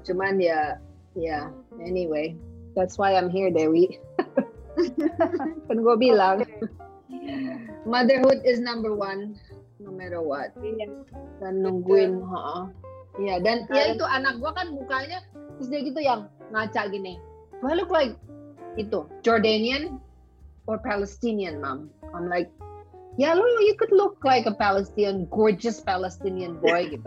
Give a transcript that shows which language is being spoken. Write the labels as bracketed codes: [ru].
[id] Cuman ya, [en] anyway, that's why I'm here, Dewi. [id] Kan gue bilang, [en] motherhood is number one, no matter what. [id] Dan nungguin, Ya dan ya itu anak gue kan mukanya terus dia gitu yang ngaca gini. [en] Do I look like itu Jordanian or Palestinian, mom? I'm like, yeah, lu, you could look like a Palestinian, gorgeous Palestinian boy, gitu.